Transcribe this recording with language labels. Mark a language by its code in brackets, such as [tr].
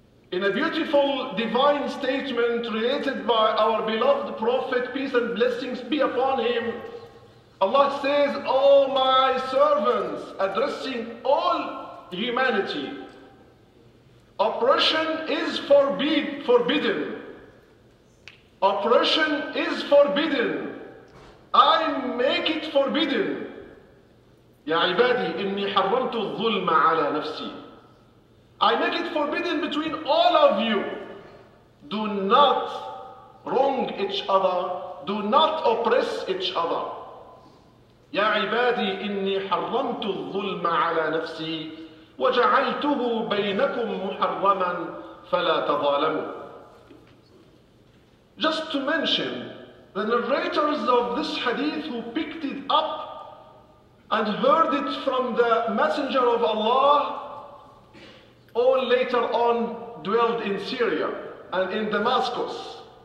[en] In a beautiful divine statement related by our beloved Prophet, peace and blessings be upon him, Allah says, O my servants, addressing all humanity, oppression is forbidden. Oppression is forbidden. I make it forbidden. [ar] يا عبادي إني حرمت الظلم على نفسي. [en] I make it forbidden between all of you. Do not wrong each other. Do not oppress each other. [ar] يا عبادي إني حرمت الظلم على نفسي وجعلته بينكم محرما فلا تظالموا. [en] Just to mention, the narrators of this hadith who picked it up and heard it from the Messenger of Allah, all later on dwelled in Syria and in Damascus.